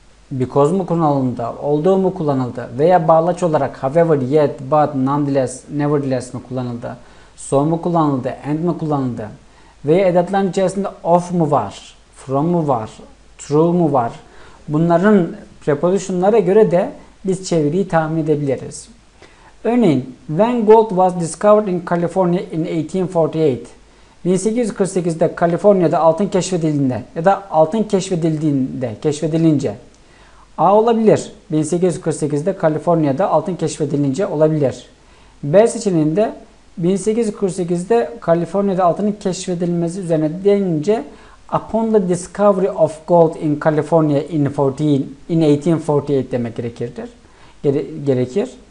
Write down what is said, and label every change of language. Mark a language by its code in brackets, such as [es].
[tr] Because mu kullanıldı? Although mu kullanıldı? Veya bağlaç olarak however, yet, but, nonetheless, nevertheless mi kullanıldı? So mu kullanıldı? And mi kullanıldı? Veya edatların içerisinde of mu var? From mu var? True mu var? Bunların prepositionlara göre de biz çeviriyi tahmin edebiliriz. Örneğin, [en] when gold was discovered in California in 1848. [tr] 1848'de Kaliforniya'da altın keşfedildiğinde ya da altın keşfedilince A olabilir. 1848'de Kaliforniya'da altın keşfedilince olabilir. B seçeneğinde 1848'de Kaliforniya'da altının keşfedilmesi üzerine denince [en] upon the discovery of gold in California in 1848 [tr] demek gerekirdir. Gerekir.